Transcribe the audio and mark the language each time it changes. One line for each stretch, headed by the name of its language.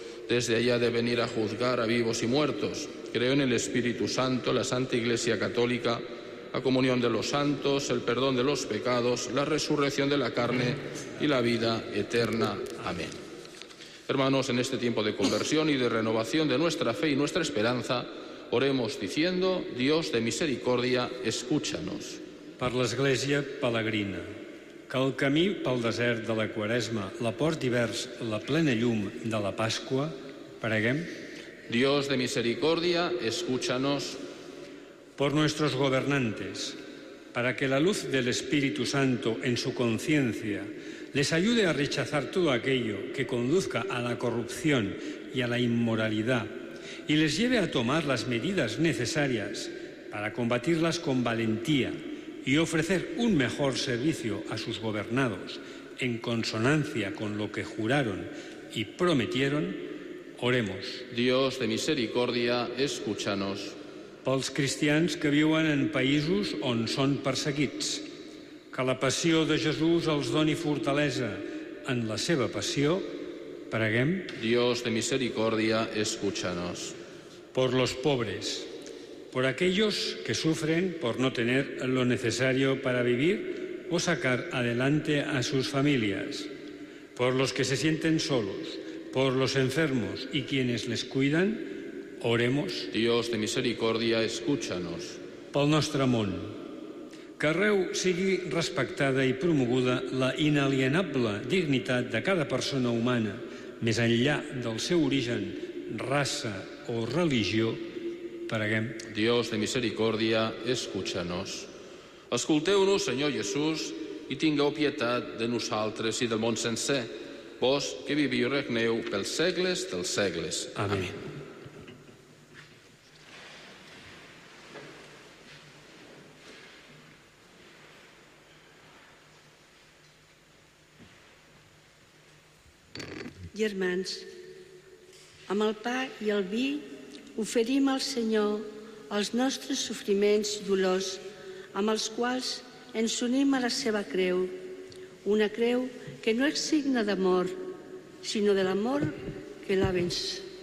Spanish: Desde allá ha de venir a juzgar a vivos y muertos. Creo en el Espíritu Santo, la Santa Iglesia Católica, la comunión de los santos, el perdón de los pecados, la resurrección de la carne y la vida eterna. Amén. Hermanos, en este tiempo de conversión y de renovación de nuestra fe y nuestra esperanza, oremos diciendo: Dios de misericordia, escúchanos.
Catalan: Per l'Església Pelegrina, que el camí pel desert de la Quaresma la porti vers la plena llum de la Pasqua, preguem.
Spanish: Dios de misericordia, escúchanos. Por nuestros gobernantes, para que la luz del Espíritu Santo en su conciencia les ayude a rechazar todo aquello que conduzca a la corrupción y a la inmoralidad y les lleve a tomar las medidas necesarias para combatirlas con valentía y ofrecer un mejor servicio a sus gobernados en consonancia con lo que juraron y prometieron, oremos. Dios de misericordia, escúchanos.
Catalan: Pels cristians que viuen en països on són perseguits, que la passió de Jesús els doni fortalesa en la seva passió, preguem.
Spanish: Dios de misericordia, escúchanos. Por los pobres, por aquellos que sufren por no tener lo necesario para vivir o sacar adelante a sus familias, por los que se sienten solos, por los enfermos y quienes les cuidan, oremos. Dios de misericordia, escúchanos.
Catalan: Pel nostre món, que arreu sigui respectada i promoguda la inalienable dignitat de cada persona humana, més enllà del seu origen, raça o religió, preguem.
Spanish: Dios de misericordia, escúchanos.
Catalan: Escolteu-nos, Senyor Jesús, i tingueu pietat de nosaltres i del món sencer, vos que viviu i regneu pels segles dels segles.
Spanish: Amén.
Catalan: Germans, amb el pa i el vi oferim al Senyor els nostres sofriments i dolors amb els quals ens unim a la seva creu, una creu que no és signe d'amor, sinó de l'amor que la vens.